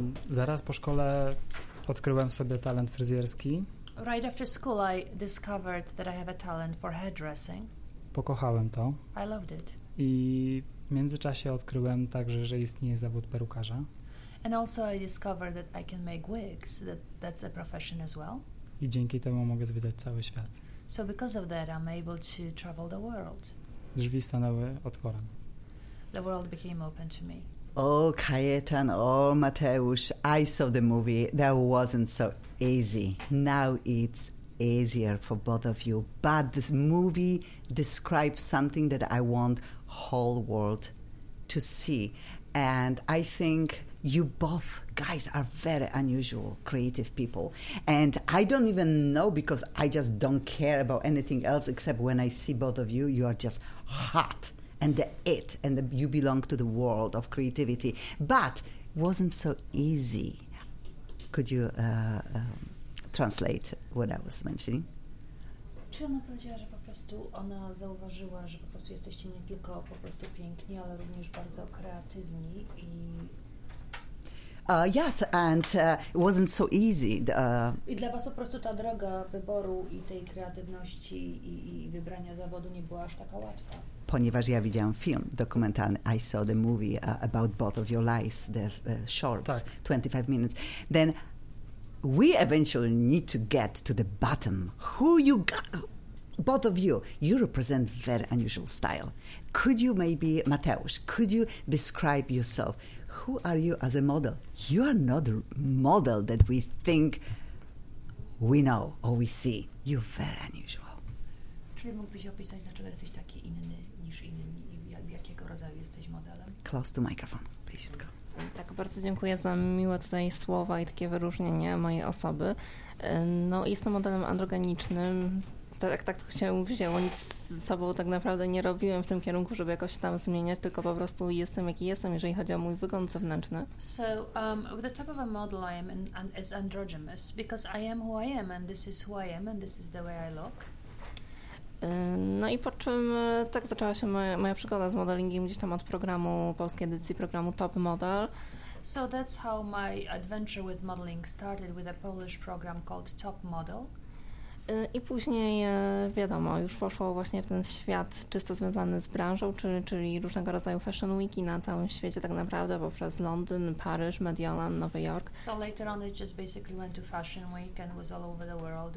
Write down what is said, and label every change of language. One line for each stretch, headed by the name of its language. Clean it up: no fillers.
Polish: Zaraz po szkole odkryłem sobie talent fryzjerski.
English: Right after school I discovered that I have a talent for hairdressing.
Polish: Pokochałem to.
English: I loved it.
Polish: I w międzyczasie odkryłem także, że istnieje zawód perukarza.
English: And also I discovered that I can make wigs, that's a profession as well.
Polish: I dzięki temu mogę zwiedzać cały świat.
English: So because of that I'm able to travel the world.
Polish: Drzwi stanęły otworem.
English: The world became open to me. Oh, Kajetan, oh, Mateusz, I saw the movie. That wasn't so easy. Now it's easier for both of you. But this movie describes something that I want whole world to see. And I think you both guys are very unusual, creative people. And I don't even know because I just don't care about anything else except when I see both of you, you are just hot. And you belong to the world of creativity. But wasn't so easy. Could you translate what I was mentioning?
Polish: Czy ona powiedziała, że po prostu ona zauważyła, że po prostu jesteście nie tylko po prostu piękni, ale również bardzo kreatywni i...
English: Yes, and it wasn't so easy.
Polish: I dla was po prostu ta droga wyboru i tej kreatywności i wybrania zawodu nie była aż taka łatwa. Ponieważ ja widziałam film dokumentalny,
English: I saw the movie about both of your lives, the shorts,
Polish: tak.
English: 25 minutes. Then we eventually need to get to the bottom. Who you got, both of you, you represent very unusual style. Could you maybe, Mateusz, could you describe yourself? Who are you as a model? You are not the model that we think we know or we see. You're very unusual.
Polish: Czy mógłbyś opisać, dlaczego jesteś taki inny niż inni i jakiego rodzaju jesteś modelem?
English: Close to microphone,
Polish: bliżutko. Tak, bardzo dziękuję za miłe tutaj słowa i takie wyróżnienie mojej osoby. No, jestem modelem androgenicznym. tak to się wzięło, nic z sobą tak naprawdę nie robiłem w tym kierunku, żeby jakoś tam zmieniać, tylko po prostu jestem, jaki jestem, jeżeli chodzi o mój wygląd zewnętrzny.
English: So, the type of a model I am in is androgynous, because I am who I am, and this is who I am, and this is the way I look.
Polish: No i po czym tak zaczęła się moja przygoda z modelingiem, gdzieś tam od programu, polskiej edycji programu Top Model.
English: So that's how my adventure with modeling started, with a Polish program called Top Model.
Polish: I później, wiadomo, już poszło właśnie w ten świat czysto związany z branżą, czyli różnego rodzaju fashion weeki na całym świecie tak naprawdę, poprzez Londyn, Paryż, Mediolan, Nowy Jork.
English: So later on it just basically went to fashion week and was all over the world.